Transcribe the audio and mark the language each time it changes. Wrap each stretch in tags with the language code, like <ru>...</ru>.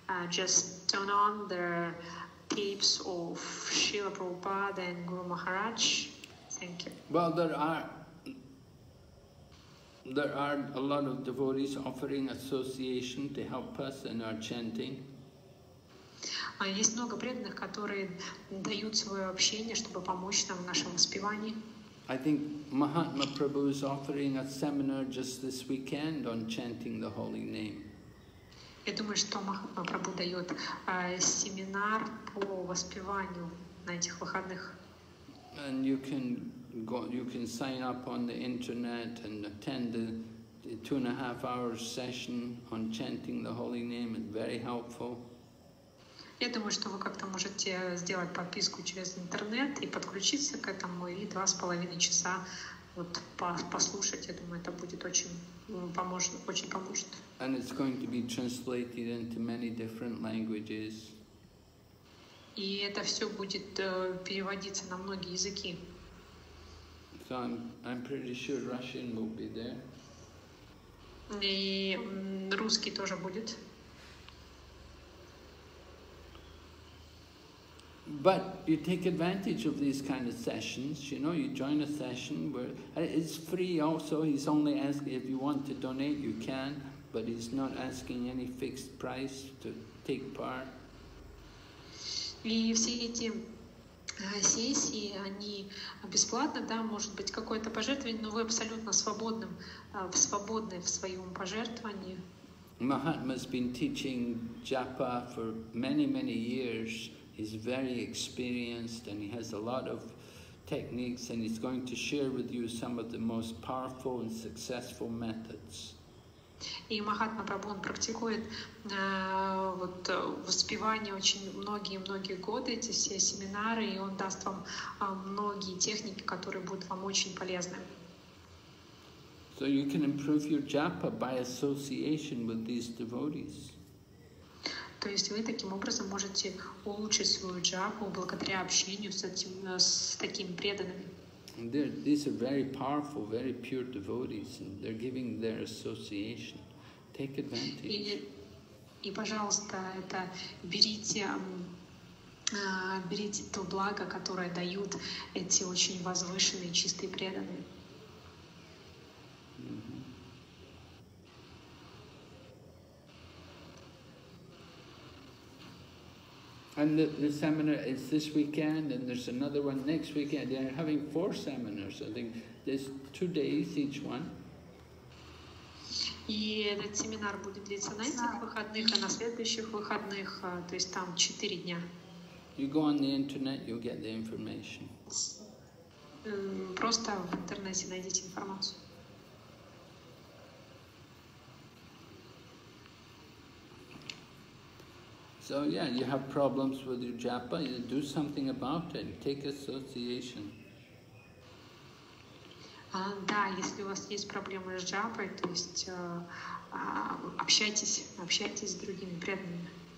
<en>Just turn on the tapes of Srila Prabhupada and Guru Maharaj? Thank you. Well, there are a lot of devotees offering association to help us in our chanting.</en> <ru>Есть много преданных, которые дают свое общение, чтобы помочь нам в нашем воспевании.</ru> <en>I think Mahatma Prabhu is offering a seminar just this weekend on chanting the holy name.</en> <ru>Я думаю, что Махатма Прабху дает семинар по воспеванию на этих выходных.</ru> <en>And you can sign up on the internet and attend the 2.5-hour session on chanting the holy name. It's very helpful.</en> <ru>Я думаю, что вы как-то можете сделать подписку через интернет и подключиться к этому, и 2.5 часа вот послушать. Я думаю, это будет очень поможет.</ru> <en>And it's going to be translated into many different languages.</en> <ru>И это все будет переводиться на многие языки.</ru> <en>So I'm pretty sure Russian will be there.</en> <ru>И русский тоже будет.</ru> <en>But you take advantage of these kind of sessions, you know, you join a session where it's free also. He's only asking if you want to donate, you can, but he's not asking any fixed price to take part.</en> <ru>И все эти сессии, они бесплатно, да, может быть какое-то пожертвование, но вы абсолютно свободны в своем пожертвовании.</ru> <en>Mahatma's been teaching japa for many, many years. He's very experienced and he has a lot of techniques, and he's going to share with you some of the most powerful and successful methods.</en> <ru>И Махатма Прабху практикует вот воспевание очень многие годы, эти все семинары, и он даст вам многие техники, которые будут вам очень полезны.</ru> <en>So you can improve your japa by association with these devotees.</en> <ru>То есть вы таким образом можете улучшить свою джапу благодаря общению с такими преданными.</ru> <en>These are very powerful, very pure devotees, and they're giving their association. Take advantage.</en> <ru>И пожалуйста, это берите то благо, которое дают эти очень возвышенные, чистые преданные.</ru> <en>And the seminar is this weekend, and there's another one next weekend. They're having 4 seminars, I think. There's 2 days each one.</en> <ru>И этот семинар будет длиться на этих выходных, а на следующих выходных, то есть там 4 дня.</ru> <en>You go on the internet, you'll get the information.</en> <ru>Просто в интернете найдите информацию.</ru> <en>So yeah, you have problems with your japa, you do something about it, take association.</en> <ru>Да, если у вас есть проблемы с джапой, то есть общайтесь с другими преданными.</ru>